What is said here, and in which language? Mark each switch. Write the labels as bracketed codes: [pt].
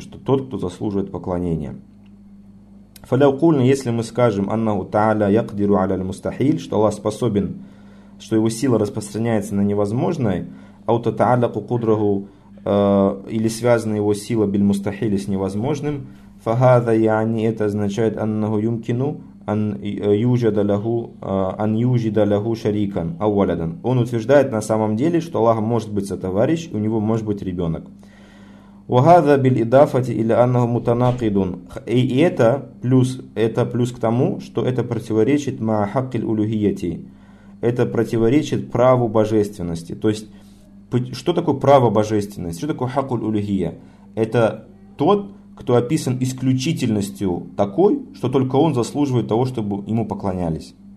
[ru] Что тот, кто заслуживает поклонения. Фаляукульна, если мы скажем, [ar] аннаху тааля якдиру аляль мустахиль, [ru] что Аллах способен, что его сила распространяется на невозможное, [ar] аута тааля кукудрагу, [ru] или связана его сила [ar] биль мустахиль [ru] с невозможным, [ar] فهذا يعني [ru] это означает [ar] أنه يمكن أن يوجد له أن يوجد له شريكا أو ولدا. [ru] Он утверждает на самом деле, что Аллах может быть сотоварищ, у него может быть ребенок. [ar] وهذا بالإضافة إلى أنه متناقض. [ru] И это плюс к тому, что это противоречит [ar] ما حق الألوهية. [ru] Это противоречит праву божественности. То есть что такое право божественности? Что такое [ar] حق الألوهية? [ru] Это тот, кто описан исключительностью такой, что только он заслуживает того, чтобы ему поклонялись.